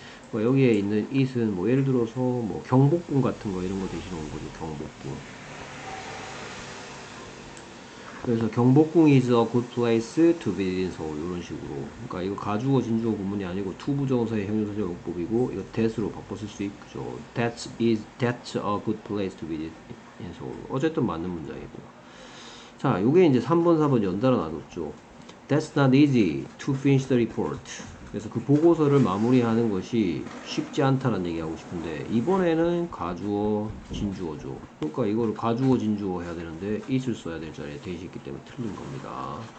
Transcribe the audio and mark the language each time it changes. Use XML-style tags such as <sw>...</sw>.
<ko>뭐 여기에 있는 it은 뭐 예를 들어서 뭐 경복궁 같은 거 이런 거 대신 온 거죠. 경복궁.</ko> <en>그래서 경복궁 is a good place to visit in Seoul</en> <ko>이런 식으로. 그러니까 이거 가주어 진주어 구문이 아니고 to 부정사의 형용사 적용법이고 이거 that으로 바꿔 쓸수 있죠.</ko> <en>That's a good place to visit in Seoul.</en> <ko>어쨌든 맞는 문장이고요. 자, 요게 이제 3번 4번 연달아 놔뒀죠.</ko> <en>That's not easy to finish the report.</en> <ko>그래서 그 보고서를 마무리하는 것이 쉽지 않다라는 얘기하고 싶은데 이번에는 가주어 진주어죠. 그러니까 이거를 가주어 진주어 해야 되는데 it을 써야 될 자리에 대시 있기 때문에 틀린 겁니다.</ko>